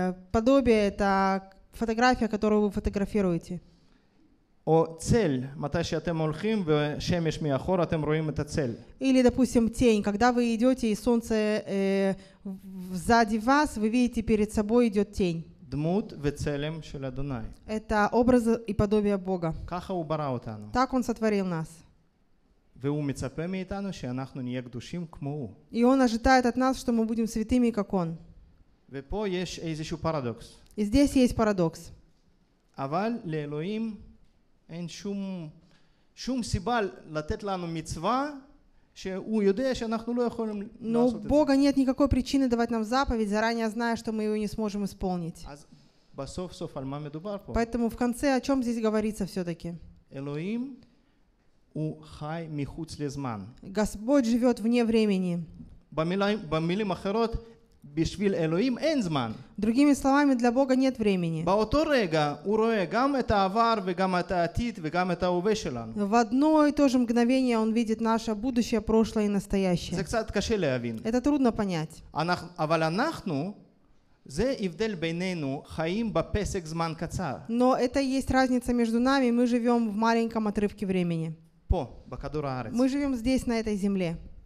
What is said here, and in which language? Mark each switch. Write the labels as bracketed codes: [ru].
[ru] Подобие — это фотография, которую вы фотографируете. [he] О цель, מתי שאתם הולכים ושמש מאחור, אתם רואים את הצל. [ru] Или, допустим, тень, когда вы идете и солнце сзади вас, вы видите перед собой идет тень. [he] דמות וצלם של אדוני. [ru] Это образ и подобие Бога. [he] ככה הוא ברא אותנו. [ru] Так он сотворил нас. [he] והוא מצפה מאיתנו שאנחנו נהיה קדושים כמו הוא. [ru] И он ожидает от нас, что мы будем святыми, как он. [he] ופה יש איזשהו פרדוקס. [ru] И здесь есть парадокс. [he] אבל לאלוהים אין שום סיבה לתת לנו מצווה שהוא יודע שאנחנו לא יכולים לעשות את זה. [ru] Но у Бога нет никакой причины давать нам заповедь, заранее зная, что мы ее не сможем исполнить. [he] אז בסוף על מה מדובר פה? [ru] Поэтому в конце о чем здесь говорится все-таки? [he] אלוהים הוא חי מחוץ לזמן. [ru] Господь живет вне времени. [he] במילים אחרות, בשביל אלוהים אין זמן. [ru] Другими словами, для Бога нет времени. [he] באותו רגע, הוא רואה גם את העבר וגם את העתיד וגם את ההווה שלנו. [ru] В одно и то же мгновение он видит наше будущее, прошлое и настоящее. [he] זה קצת קשה להבין. [ru] Это трудно понять. [he] אבל אנחנו, זה הבדל בינינו, חיים בפסק זמן קצר. [ru] Но это есть разница между нами, мы живем в маленьком отрывке времени. Мы живем здесь, на этой земле.